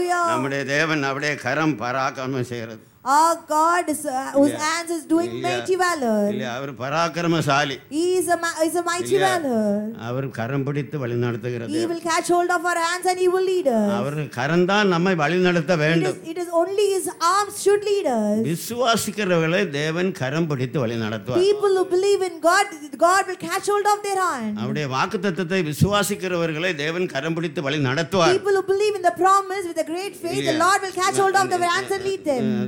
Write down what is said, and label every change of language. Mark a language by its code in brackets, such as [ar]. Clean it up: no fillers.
[ta] நம்முடைய தேவன் அப்படியே கரம் பராக்கிரமம் செய்கிறது. [en] Our God is, whose hands is doing mighty valor. [ta] இல்ல அவர் பராக்கிரமசாலி. [en] He is a mighty valor. [ta] அவர் கரம் பிடித்து வழிநடத்துகிறது. [en] He will catch hold of our hands and he will lead us. [ta] அவர் கரம் தான் நம்மை வழிநடத்த வேண்டும். [en] It is only his arms should lead us. [ta] விசுவாசிக்கிறவர்களை தேவன் கரம் பிடித்து வழிநடத்துவார். [en] People who believe in God, God will catch hold of their hand. [ta] அவருடைய வாக்குத்தத்தத்தை விசுவாசிக்கிறவர்களை தேவன் கரம் பிடித்து வழிநடத்துவார். [en] People who believe in the promise with a great faith, the Lord will catch hold of their hands and lead them.